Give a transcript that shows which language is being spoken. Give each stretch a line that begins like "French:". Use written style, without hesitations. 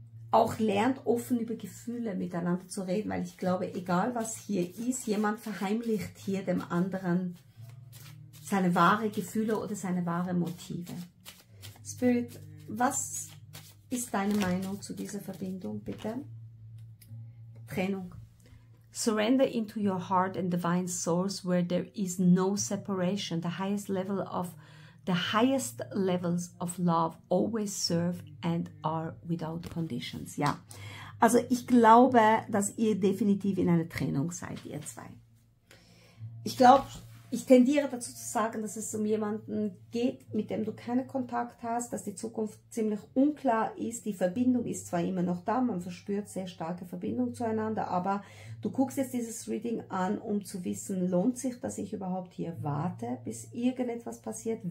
German: auch lernt, offen über Gefühle miteinander zu reden, weil ich glaube, egal was hier ist, jemand verheimlicht hier dem anderen seine wahren Gefühle oder seine wahren Motive. Spirit, was ist deine Meinung zu dieser Verbindung, bitte? Trennung.
English: Surrender into your heart and divine source where there is no separation. The highest levels of love always serve and are without conditions.
German: Ja, also ich glaube, dass ihr definitiv in einer Trennung seid, ihr zwei. Ich glaube, ich tendiere dazu zu sagen, dass es um jemanden geht, mit dem du keinen Kontakt hast, dass die Zukunft ziemlich unklar ist. Die Verbindung ist zwar immer noch da, man verspürt sehr starke Verbindung zueinander, aber du guckst jetzt dieses Reading an, um zu wissen, lohnt sich, dass ich überhaupt hier warte, bis irgendetwas passiert?